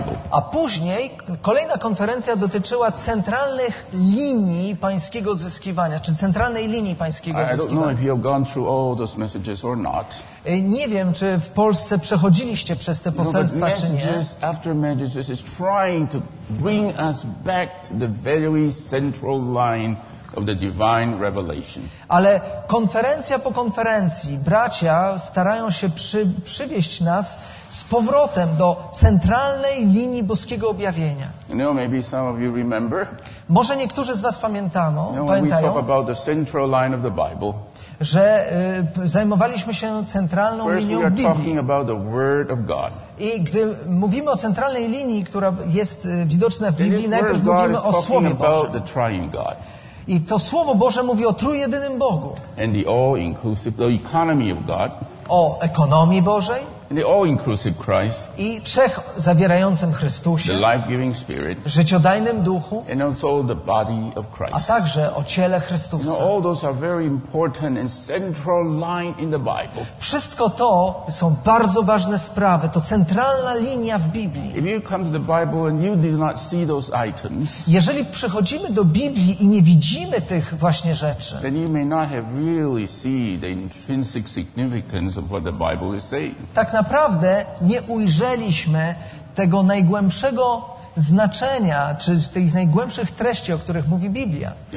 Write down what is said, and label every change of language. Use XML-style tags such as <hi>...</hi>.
<pl>A później kolejna konferencja dotyczyła centralnych linii pańskiego odzyskiwania, czy centralnej linii pańskiego odzyskiwania.</pl> <en>I don't know if you've gone through all those messages or not.</en> <pl>Nie wiem, czy w Polsce przechodziliście przez te poselstwa, czy nie.</pl> <en>After messages is trying to bring us back to the very central line of the divine revelation.</en> <pl>Ale konferencja po konferencji bracia starają się przywieść nas z powrotem do centralnej linii boskiego objawienia.</pl> <en>You know, maybe some of you remember.</en> <pl>Może niektórzy z was pamiętają.</pl> <en>We talk about the central line of the Bible.</en> <pl>Że zajmowaliśmy się centralną linią w Biblii.</pl> <en>Talking about the word of God.</en> <pl>I gdy mówimy o centralnej linii, która jest widoczna w Biblii, najpierw mówimy o Słowie Bożym. I to Słowo Boże mówi o trójjedynym Bogu.</pl> <en>And the all-inclusive, the economy of God.</en> <pl>O ekonomii Bożej.</pl> <en>And the all-inclusive Christ.</en> <pl>I wszech zawierającym Chrystusie.</pl> <en>The life-giving Spirit.</en> <pl>Życiodajnym Duchu.</pl> <en>And also the body of Christ.</en> <pl>A także o ciele Chrystusa.</pl> <en>You know, all those are very important and central line in the Bible.</en> <pl>Wszystko to są bardzo ważne sprawy. To centralna linia w Biblii.</pl> <en>If you come to the Bible and you do not see those items.</en> <pl>Jeżeli przychodzimy do Biblii i nie widzimy tych właśnie rzeczy.</pl> <en>Then you may not have really seen the intrinsic significance of what the Bible is saying.</en> <pl>Tak naprawdę nie ujrzeliśmy tego najgłębszego znaczenia, czy tych najgłębszych treści, o których mówi Biblia.</pl>